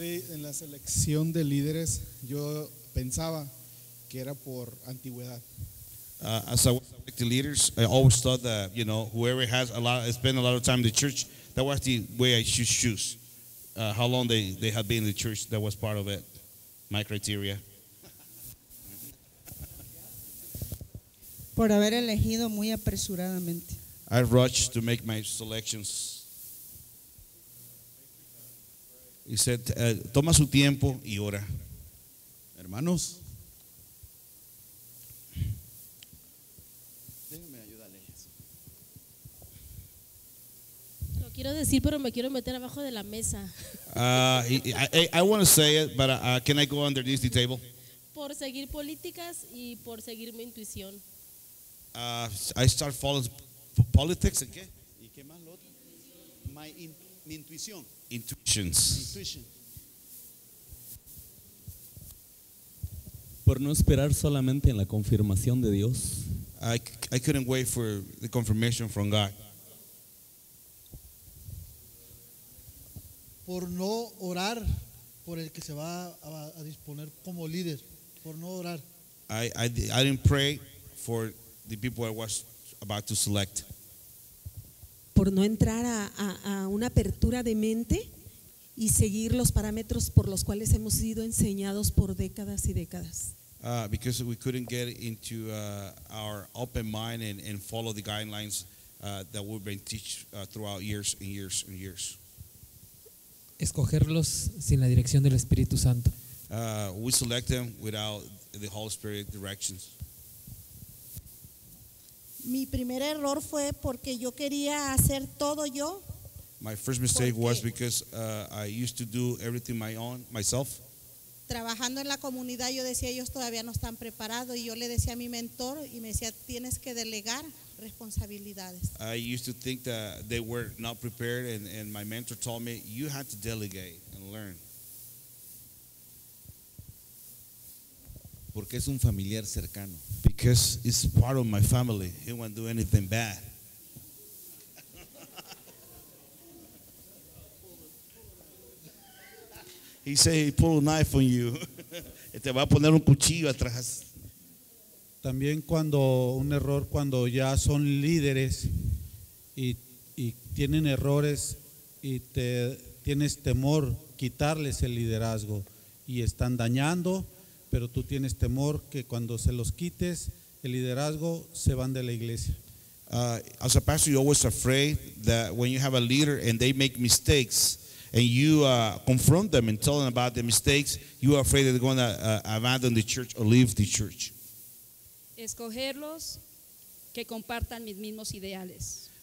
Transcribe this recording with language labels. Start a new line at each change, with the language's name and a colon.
Spanish: En la selección de líderes, yo pensaba que era por antigüedad.
English: As I was selecting leaders, I always thought that, you know, whoever spent a lot of time in the church, that was the way I should choose. How long they had been in the church, that was part of it, my criteria.
Spanish: Por haber elegido muy apresuradamente.
English: I rushed to make my selections. He said,
Spanish: toma su tiempo y ora. Hermanos. Quiero decir, pero me quiero meter abajo de la mesa.
English: I want to say it, but can I go underneath the table?
Spanish: Por seguir políticas y por seguir mi intuición.
English: I start following politics and
Spanish: ¿Y qué más lo otro? Mi intuición.
English: Intuition.
Spanish: Por no esperar solamente en la confirmación de Dios.
English: I couldn't wait for the confirmation from God.
Spanish: Por no orar por el que se va a disponer como líder, por no orar.
English: I didn't pray for the people I was about to select.
Spanish: Por no entrar a una apertura de mente y seguir los parámetros por los cuales hemos sido enseñados por décadas y décadas.
English: Because we couldn't get into our open mind and follow the guidelines that we've been teach throughout years and years and years.
Spanish: Escogerlos sin la dirección del Espíritu Santo.
English: We select them without the Holy Spirit directions.
Spanish: Mi primer error fue porque yo quería hacer todo yo.
English: My first mistake was because I used to do everything myself.
Spanish: Trabajando en la comunidad, yo decía, ellos todavía no están preparados, y yo le decía a mi mentor y me decía, tienes que delegar responsabilidades.
English: I used to think that they were not prepared, and my mentor told me you had to delegate and learn.
Spanish: Porque es un familiar cercano.
English: Because it's part of my family. He won't do anything bad. He said he pulled a knife on you.
Spanish: Te va a poner un cuchillo atrás. También cuando un error, cuando ya son líderes y tienen errores y te tienes temor quitarles el liderazgo y están dañando, pero tú tienes temor que cuando se los quites el liderazgo se van de la iglesia.
English: As a pastor, you're always afraid that when you have a leader and they make mistakes and you confront them and tell them about the mistakes, you are afraid they're going to abandon the church or leave the church.
Spanish: Escogerlos que compartan mis mismos ideales.